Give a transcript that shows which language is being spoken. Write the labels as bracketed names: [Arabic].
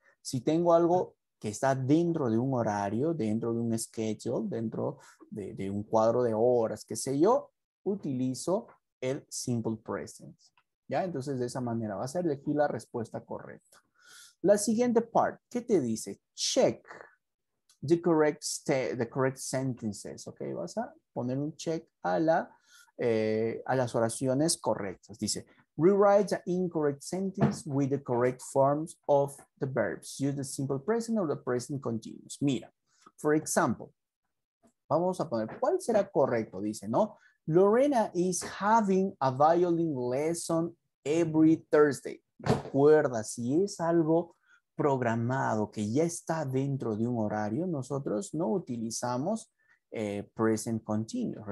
[Spanish] Si tengo algo que está dentro de un horario, dentro de un schedule, dentro de un cuadro de horas, qué sé yo, utilizo el simple present. ¿Ya? Entonces, de esa manera vas a elegir la respuesta correcta. La siguiente part, ¿qué te dice? [English] Check the correct sentences, [Spanish] ¿ok? Vas a poner un check a la a las oraciones correctas. Dice, [English] rewrite the incorrect sentence with the correct forms of the verbs. Use the simple present or the present continuous. [Spanish] Mira, [English] for example, [Spanish] vamos a poner, ¿cuál será correcto? Dice, ¿no? [English] Lorena is having a violin lesson every Thursday. [Spanish] Recuerda, si es algo programado que ya está dentro de un horario, nosotros no utilizamos present continuous.